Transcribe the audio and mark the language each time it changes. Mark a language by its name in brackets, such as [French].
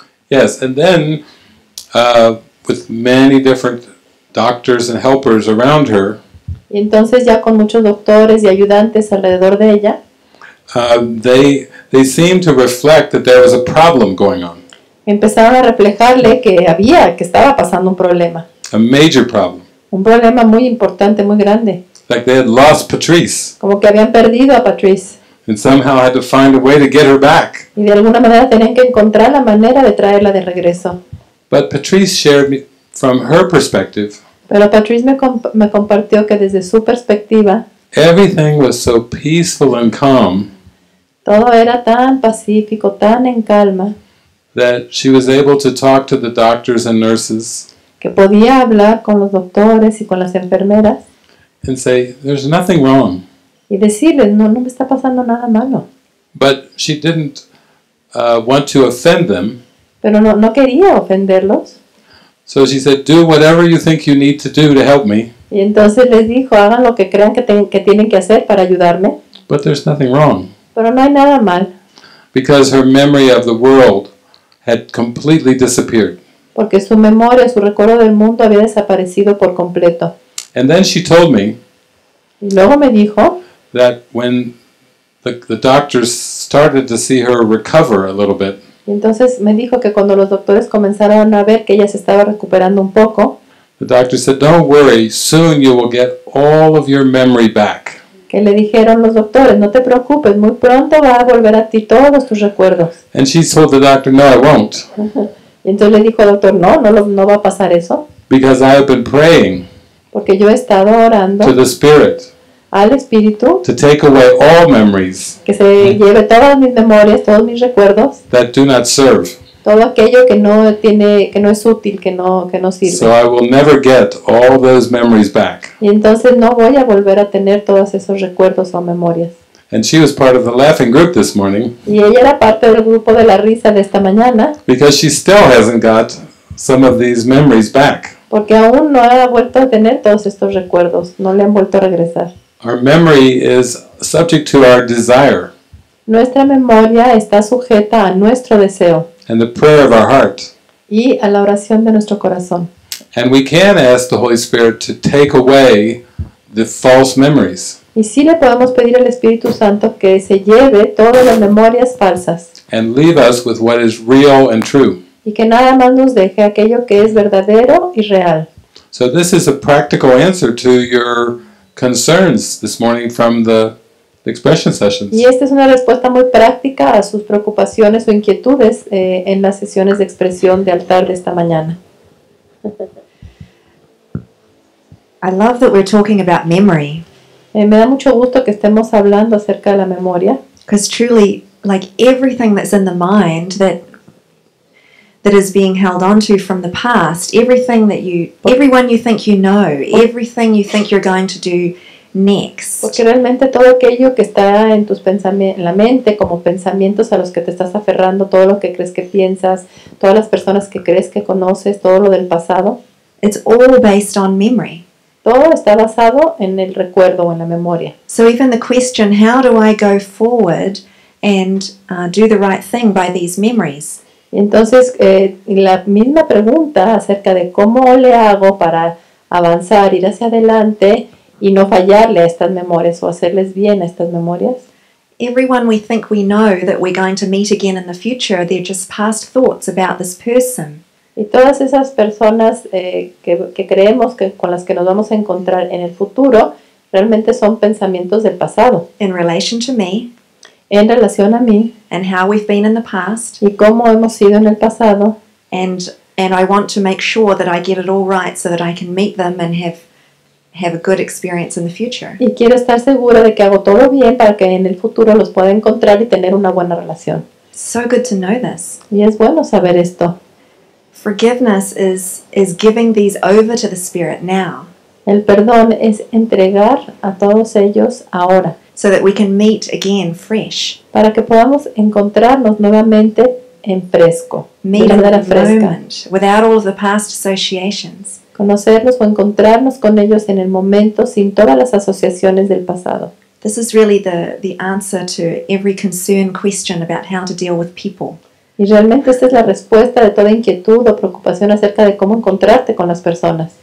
[English] Yes, and then with many different doctors and helpers around her. [Spanish] Y entonces ya con muchos doctores y ayudantes alrededor de ella. [English] They seemed to reflect that there was a problem going on. [Spanish] Empezaron a reflejarle que había, que estaba pasando un problema. [English] A major problem. [Spanish] Un problema muy importante, muy grande. [English] Like they had lost Patrice. [Spanish] Como que habían perdido a Patrice. [English] And somehow had to find a way to get her back. [Spanish] Y de alguna manera tenían que encontrar la manera de traerla de regreso. [English] But Patrice shared me from her perspective. [Spanish] Pero Patrice me compartió que desde su perspectiva. [English] Everything was so peaceful and calm. [Spanish] Todo era tan pacífico, tan en calma. [English] That she was able to talk to the doctors and nurses. [Spanish] Que podía hablar con los doctores y con las enfermeras. [English] And say, "There's nothing wrong." [Spanish] Y decirles, "No, no me está pasando nada malo." [English] But she didn't want to offend them. [Spanish] Pero no quería ofenderlos. [English] So she said, "Do whatever you think you need to do to help me." [Spanish] Y entonces les dijo, hagan lo que crean que tienen que hacer para ayudarme. [English] But there's nothing wrong. [Spanish] Pero no hay nada mal. [English] Because her memory of the world had completely disappeared. [Spanish] Porque su memoria, su recuerdo del mundo había desaparecido por completo. [English] And then she told me. [Spanish] Y luego me dijo. [English] That when the doctors started to see her recover a little bit. [Spanish] Y entonces me dijo que cuando los doctores comenzaron a ver que ella se estaba recuperando un poco. [English] The doctor said, "Don't worry, soon you will get all of your memory back." [Spanish] Que le dijeron los doctores, "No te preocupes, muy pronto va a volver a ti todos tus recuerdos." [English] And she told the doctor, "No, I won't." [Spanish] Y entonces le dijo al doctor, no va a pasar eso. [English] Because I have been praying. [Spanish] Porque yo he estado orando. [English] To the spirit. [Spanish] Al espíritu. [English] To take away all memories. [Spanish] Que se lleve todas mis memorias, todos mis recuerdos. [English] That do not serve. [Spanish] Todo aquello que no tiene, que no es útil, que no sirve. [English] So I will never get all those memories back. [Spanish] Y entonces no voy a volver a tener todos esos recuerdos o memorias. [English] And she was part of the laughing group this morning. [Spanish] Y ella era parte del grupo de la risa de esta mañana. [English] Because she still hasn't got some of these memories back. [Spanish] Porque aún no ha vuelto a tener todos estos recuerdos, no le han vuelto a regresar. [English] Our memory is subject to our desire. [Spanish] Nuestra memoria está sujeta a nuestro deseo. [English] And the prayer of our heart. [Spanish] Y a la oración de nuestro corazón. [English] And we can ask the Holy Spirit to take away the false memories. [Spanish] Y sí le podemos pedir al Espíritu Santo que se lleve todas las memorias falsas. [English] And leave us with what is real and true. [Spanish] Y que nada más nos deje aquello que es verdadero y real. [English] So this is a practical answer to your concerns this morning from the expression sessions. [Spanish] Y esta es una respuesta muy práctica a sus preocupaciones o inquietudes en las sesiones de expresión de altar de esta mañana. [English] I love that we're talking about memory. [Spanish] Me da mucho gusto que estemos hablando acerca de la memoria. [English] Because truly, like everything that's in the mind that is being held onto from the past, everything that everyone you think you know, everything you think you're going to do next. [Spanish] Porque realmente todo aquello que está en tus pensamientos, en la mente, como pensamientos a los que te estás aferrando, todo lo que crees que piensas, todas las personas que crees que conoces, todo lo del pasado. [English] It's all based on memory. [Spanish] Todo está basado en el recuerdo o en la memoria. [English] So even the question, how do I go forward and do the right thing by these memories? [Spanish] Entonces, la misma pregunta acerca de cómo le hago para avanzar, ir hacia adelante y no fallarle a estas memorias o hacerles bien a estas memorias. [English] Everyone we think we know that we're going to meet again in the future, they're just past thoughts about this person. [Spanish] Y todas esas personas que creemos que con las que nos vamos a encontrar en el futuro, realmente son pensamientos del pasado. [English] In relation to me. [Spanish] En relación a mí. [English] And how we've been in the past. [Spanish] Y cómo hemos sido en el pasado. [English] And I want to make sure that I get it all right so that I can meet them and have a good experience in the future. [Spanish] Y quiero estar segura de que hago todo bien para que en el futuro los pueda encontrar y tener una buena relación. [English] So good to know this. [Spanish] Y es bueno saber esto. [English] Forgiveness is giving these over to the Spirit now. [Spanish] El perdón es entregar a todos ellos ahora. [English] so that we can meet again fresh. [Spanish] Para que podamos encontrarnos nuevamente en fresco. [English] Meet in the moment without all of the past associations. [Spanish] Conocernos o encontrarnos con ellos en el momento sin todas las asociaciones del pasado. [English] This is really the answer to every concern question about how to deal with people. [Spanish] Y realmente esta es la respuesta de toda inquietud o preocupación acerca de cómo encontrarte con las personas.